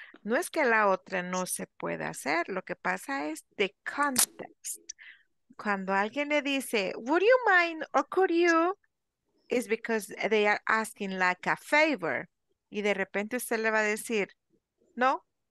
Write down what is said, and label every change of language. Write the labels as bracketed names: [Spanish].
[Spanish] No es que la otra no se pueda hacer. Lo que pasa es [English] the context. [Spanish] Cuando alguien le dice, [English] would you mind or could you? Is because they are asking like a favor. [Spanish] Y de repente usted le va a decir, no.